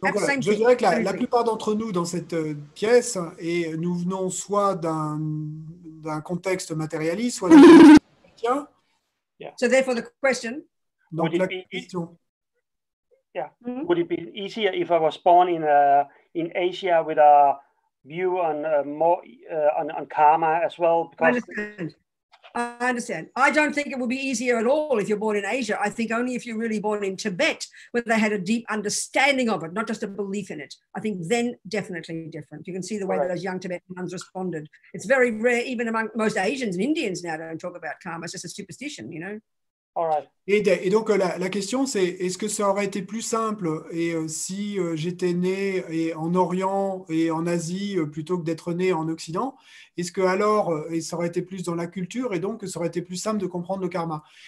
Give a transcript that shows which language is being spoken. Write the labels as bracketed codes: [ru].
[fr] Donc, voilà, je dirais que la plupart d'entre nous dans cette pièce, et nous venons soit d'un contexte matérialiste, soit d'un chrétien. [en] Yeah. So therefore the question. Would it be question. Yeah. Mm-hmm. Would it be easier if I was born in Asia with a view on more on karma as well? Because I understand. I don't think it would be easier at all if you're born in Asia. I think only if you're really born in Tibet, where they had a deep understanding of it, not just a belief in it. I think then definitely different. You can see the way that those young Tibetan ones responded. It's very rare, even among most Asians and Indians now, don't talk about karma. It's just a superstition, you know? All right. [fr] Et donc la question c'est, est-ce que ça aurait été plus simple et si j'étais né et en Orient et en Asie plutôt que d'être né en Occident, est-ce que alors et ça aurait été plus dans la culture et donc ça aurait été plus simple de comprendre le karma?